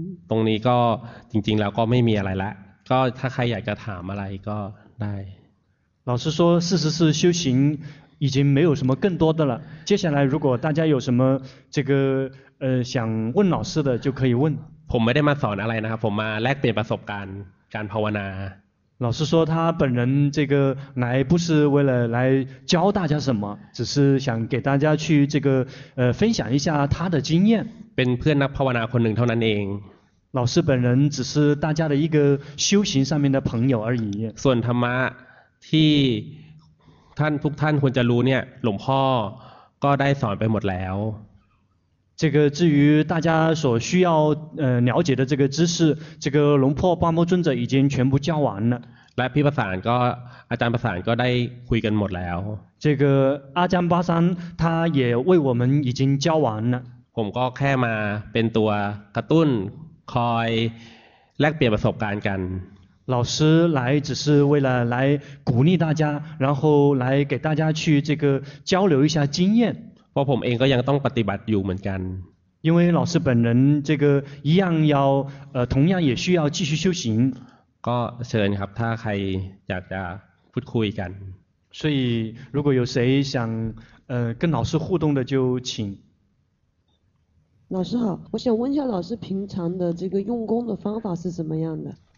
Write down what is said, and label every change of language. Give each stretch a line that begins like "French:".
Thai: ตรงนี้ก็จริงๆแล้วก็ไม่มีอะไรละก็ถ้าใครอยากจะถามอะไรก็ได้
Chinese: 老师说事实是修行已经没有什么更多的了接下来如果大家有什么这个想问老师的就可以问
Thai: ผมไม่ได้มาสอนอะไรนะครับผมมาแลกเปลี่ยนประสบการณ์การภาวนา
Chinese: 老师说他本人这个来不是为了来教大家什么只是想给大家去这个分享一下他的经验
Thai: เป็นเพื่อนนักภาวนาคนหนึ่งเท่านั้นเอง
Chinese: 老师本人只是大家的一个修行上面的朋友而已
Thai: ส่วนธรรมะที่ท่านทุกท่านควรจะรู้เนี่ยหลวงพ่อก็ได้สอนไปหมดแล้ว
Chinese: 这个至于大家所需要了解的这个知识这个龙破巴摩尊者已经全部教完了
Thai: และพี่ประสานก็อาจารย์ประสานก็ได้คุยกันหมดแล้ว
Chinese: 这个阿江巴山他也为我们已经教完了
Thai: ผมก็แค่มาเป็นตัวกระตุ้นคอยแลกเปลี่ยนประสบการณ์กัน
Chinese: 老师来只是为了来鼓励大家然后来给大家去这个交流一下经验
Thai: เพราะผมเองก็ยังต้องปฏิบัติอยู่เหมือนกัน
Chinese: 因为老师本人这个一样要同样也需要继续修行
Thai: ก็เชิญครับถ้าใครอยากจะพูดคุยกัน
Chinese: 所以如果有谁想跟老师互动的就请老师好我想问一下老师平常的这个用功的方法是什么样的